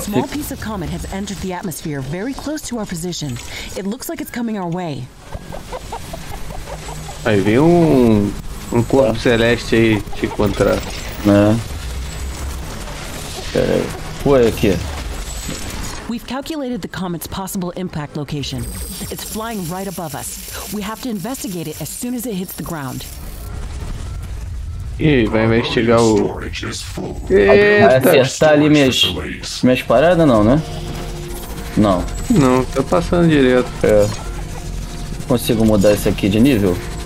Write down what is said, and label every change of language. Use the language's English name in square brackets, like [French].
[English] Small piece of comet has entered the atmosphere very close to our position. It looks like it's coming our way. [Portuguese] Aí vem um corpo celeste aí te encontrar. Né? Pera aí. Foi aqui. [English] We've calculated the comet's possible impact location. It's flying right above us. We have to investigate it as soon as it hits the ground. [Portuguese] E vai investigar o. Eita. Vai acertar ali minhas paradas, não, né? Não. Não, tá passando direto. É. Consigo mudar esse aqui de nível?